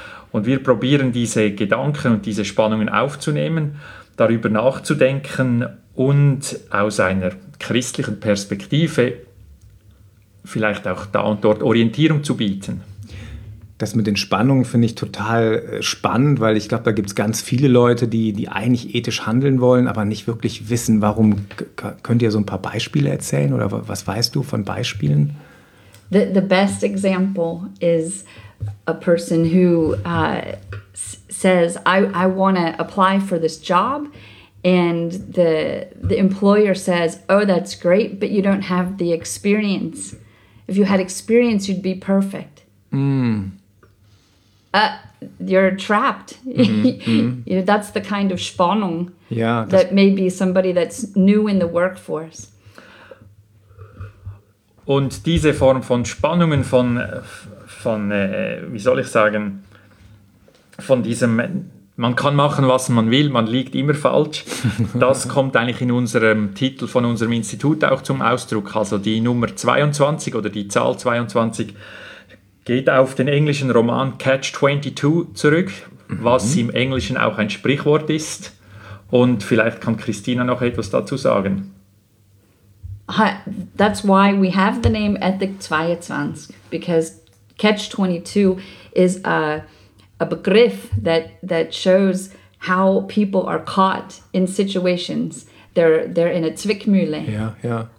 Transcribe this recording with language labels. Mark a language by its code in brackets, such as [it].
[de] Und wir probieren, diese Gedanken und diese Spannungen aufzunehmen, darüber nachzudenken und aus einer christlichen Perspektive vielleicht auch da und dort Orientierung zu bieten. Das mit den Spannungen finde ich total spannend, weil ich glaube, da gibt es ganz viele Leute, die eigentlich ethisch handeln wollen, aber nicht wirklich wissen, warum. Könnt ihr so ein paar Beispiele erzählen oder was weißt du von Beispielen? [en] The best example is a person who says, I want to apply for this job and the employer says, oh, that's great, but you don't have the experience. If you had experience, you'd be perfect. Mm. You're trapped. Mm-hmm. You know, that's the kind of Spannung, yeah, that may be somebody that's new in the workforce. [de] Und diese Form von Spannungen wie soll ich sagen, von diesem, man kann machen, was man will, man liegt immer falsch, das kommt eigentlich in unserem Titel von unserem Institut auch zum Ausdruck. Also die Nummer 22 oder die Zahl 22 geht auf den englischen Roman Catch 22 zurück, was im Englischen auch ein Sprichwort ist. Und vielleicht kann Christina noch etwas dazu sagen. [en] Hi, that's why we have the name Ethik 22, because Catch 22 is a Begriff that shows how people are caught in situations. They're in a Zwickmühle. Yeah, yeah.